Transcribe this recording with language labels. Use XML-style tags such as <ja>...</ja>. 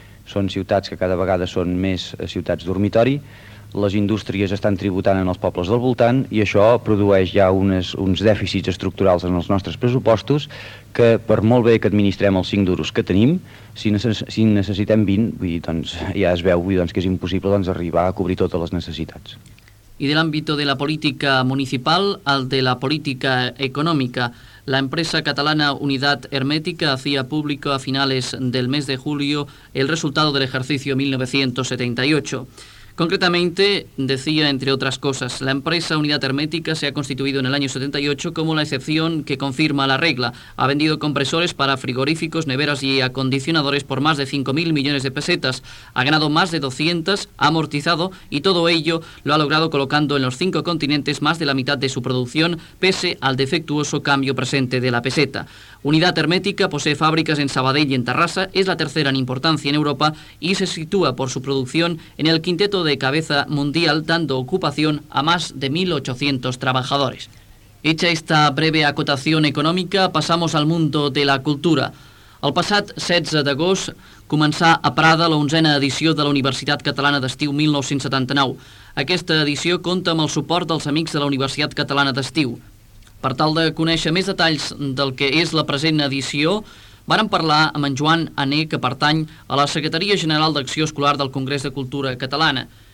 <ca>Són ciutats que cada vegada són més ciutats dormitori, les indústries estan tributant en els pobles del voltant i això produeix ja uns dèficits estructurals en els nostres pressupostos que per molt bé que administrem els 5 duros que tenim, si necessitem 20, vull dir, doncs, ja es veu doncs, que és impossible doncs, arribar a cobrir totes les necessitats.</ca> <es>Y del ámbito de la política municipal al de la política económica. La empresa catalana Unidad Hermética hacía público a finales del mes de julio el resultado del ejercicio 1978. Concretamente, decía, entre otras cosas, la empresa Unidad Hermética se ha constituido en el año 78 como la excepción que confirma la regla. Ha vendido compresores para frigoríficos, neveras y acondicionadores por más de 5.000 millones de pesetas. Ha ganado más de 200, ha amortizado y todo ello lo ha logrado colocando en los 5 continentes más de la mitad de su producción, pese al defectuoso cambio presente de la peseta. Unidad Hermética posee fábricas en Sabadell y en Tarrasa, es la tercera en importancia en Europa y se sitúa por su producción en el quinteto de cabeza mundial, dando ocupación a más de 1.800 trabajadores. Hecha esta breve acotación económica, pasamos al mundo de la cultura.</es> <ca>El passat 16 d'agost començà a Prada la 11a edició de la Universitat Catalana d'Estiu 1979. Aquesta edició compta amb el suport dels amics de la Universitat Catalana d'Estiu. Per tal de conèixer més detalls del que és la present edició, vàrem parlar amb en Joan Aner, que pertany a la Secretaria General d'Acció Escolar del Congrés de Cultura Catalana.</ca>